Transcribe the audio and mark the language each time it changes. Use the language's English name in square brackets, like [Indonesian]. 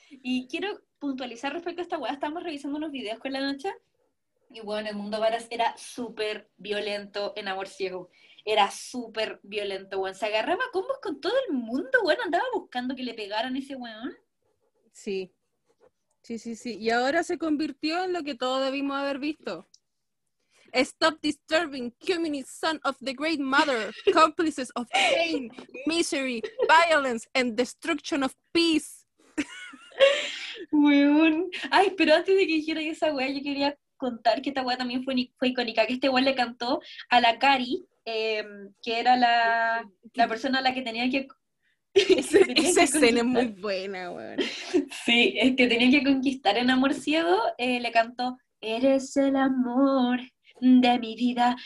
[Spanish] Y quiero puntualizar respecto a esta wea, estábamos revisando unos videos con la noche, y bueno, el mundo Varas era súper violento en Amor Ciego, era súper violento, weón, se agarraba combos con todo el mundo, weón, andaba buscando que le pegaran ese weón. Sí, sí, sí, sí, y ahora se convirtió en lo que todos debimos haber visto. [English] Stop disturbing, communist son of the great mother, complices of pain, misery, violence, and destruction of peace. [Spanish] Weón. Ay, pero antes de que dijera esa weá, yo quería contar que esta weá también fue icónica, que este weá le cantó a la Cari, que era la persona a la que tenía que... esa escena es muy buena, weón. Sí, es que tenía que conquistar en Amor Ciego, le cantó, eres el amor de mi vida.